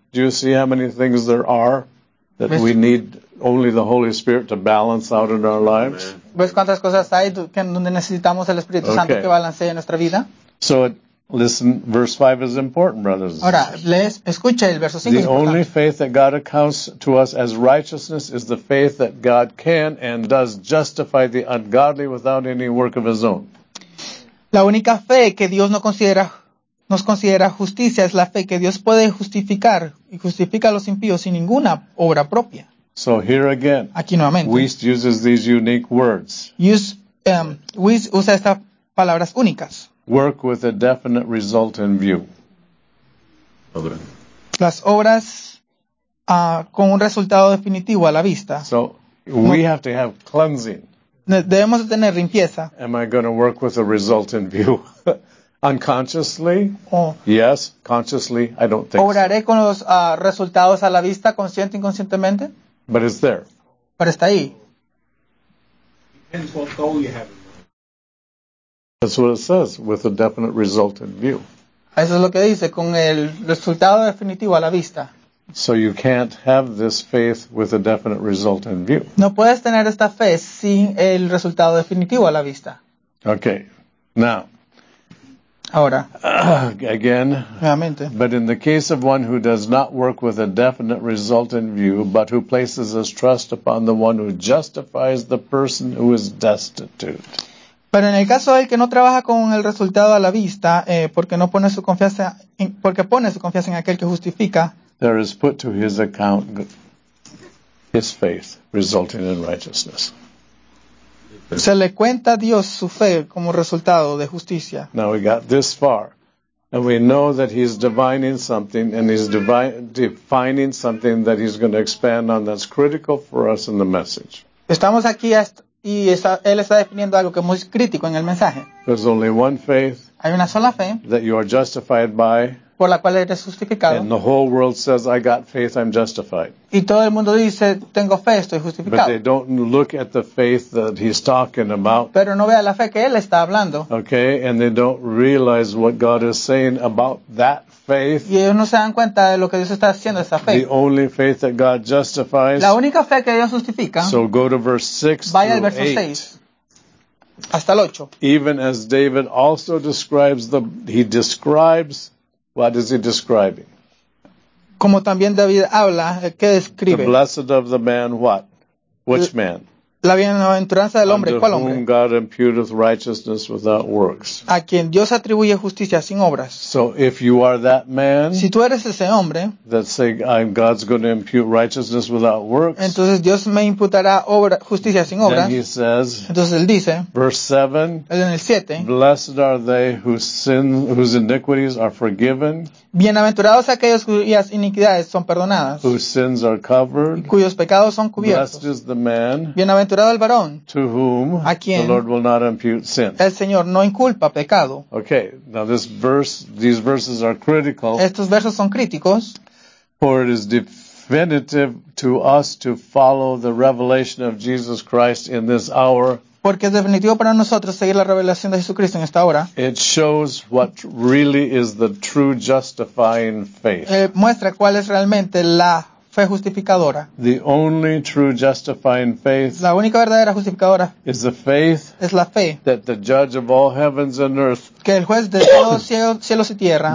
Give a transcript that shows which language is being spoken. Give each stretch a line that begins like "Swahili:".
English: Do you see how many things there are that we need only the Holy Spirit to balance out in our lives?
Spanish: ¿Ves cuántas cosas hay donde necesitamos el Espíritu Santo que balancee nuestra vida?
English: So, listen, verse 5 is important, brothers.
Spanish: Ahora, escuche el verso 5.
English: The only faith that God accounts to us as righteousness is the faith that God can and does justify the ungodly without any work of his own.
Spanish: La única fe que Dios nos considera justicia es la fe que Dios puede justificar y justifica a los impíos sin ninguna obra propia.
English: So here again,
Spanish: aquí nuevamente,
English: Wyss uses these unique words.
Spanish: Wyss usa estas palabras únicas.
English: Work with a definite result in view.
Spanish: Obra. Las obras con un resultado definitivo a la vista.
English: So we have to have cleansing.
Spanish: Debemos tener limpieza.
English: Am I going to work with a result in view? Unconsciously? Oh. Yes, consciously, I don't think.
Spanish: ¿Obraré con los resultados a la vista, consciente e inconscientemente?
English: But it's there.
Spanish: Pero está ahí.
English: Depends what goal you have. That's what it says, with a definite result in view.
Spanish: Eso es lo que dice, con el resultado definitivo a la vista.
English: So you can't have this faith with a definite result in view.
Spanish: No puedes tener esta fe sin el resultado definitivo a la vista.
English: Okay, now.
Spanish: Ahora,
English: again,
Spanish: nuevamente.
English: But in the case of one who does not work with a definite result in view, but who places his trust upon the one who justifies the person who is destitute.
Spanish: Pero en el caso del que no trabaja con el resultado a la vista, porque no pone su confianza, porque pone su confianza en aquel que justifica.
English: There is put to his account his faith, resulting in righteousness.
Spanish: Se le cuenta a Dios su fe como resultado de justicia.
English: Now we got this far. And we know that he's divining something and he's defining something that he's going to expand on that's critical for us in the message.
Spanish: Estamos aquí él está definiendo algo que es muy crítico en el mensaje.
English: There's only one faith.
Spanish: Hay una sola fe.
English: That you are justified by.
Spanish: Por la cual eres justificado.
English: And the whole world says, I got faith, I'm justified.
Spanish: Y todo el mundo dice, tengo fe, estoy justificado.
English: But they don't look at the faith that he's talking about.
Spanish: Pero no vea la fe que él está hablando.
English: Okay, and they don't realize what God is saying about that faith.
Spanish: Y ellos no se dan cuenta de lo que Dios está haciendo esa fe.
English: The only faith that God justifies.
Spanish: La única fe que Dios justifica.
English: So go to verse 6 through 8.
Spanish: Vaya al verso 6. hasta el 8.
English: Even as David also describes the, he describes, what is he describing?
Spanish: Como también David habla, ¿qué describe?
English: The blessed of the man, what? Which man?
Spanish: La bienaventuranza del hombre, ¿cuál hombre?
English: Under whom God imputeth righteousness without works.
Spanish: A quien Dios atribuye justicia sin obras.
English: So if you are that man,
Spanish: si tú eres ese hombre,
English: that say I'm God's going to impute righteousness without works,
Spanish: entonces Dios me imputará obra, justicia sin obras.
English: Then he says,
Spanish: entonces él dice,
English: verse 7,
Spanish: en el 7,
English: blessed are they whose sins, whose iniquities are forgiven.
Spanish: Bienaventurados aquellos cuyas iniquidades son perdonadas.
English: Whose sins are covered.
Spanish: Cuyos pecados son cubiertos.
English: Blessed is the man.
Spanish: Bienaventurado el varón.
English: To whom.
Spanish: A quien.
English: The Lord will not impute sin.
Spanish: El Señor no inculpa pecado.
English: Okay. Now this verse, these verses are critical.
Spanish: Estos versos son críticos.
English: For it is definitive to us to follow the revelation of Jesus Christ in this hour.
Spanish: Porque es definitivo para nosotros seguir la revelación de Jesucristo en esta hora.
English: It shows what really is the true justifying faith.
Spanish: Muestra cuál es realmente la fe justificadora.
English: The only true justifying faith.
Spanish: La única verdadera justificadora.
English: Is the faith.
Spanish: Es la fe.
English: That the judge of all heavens and earth.
Spanish: Que el juez de todos cielos y tierra.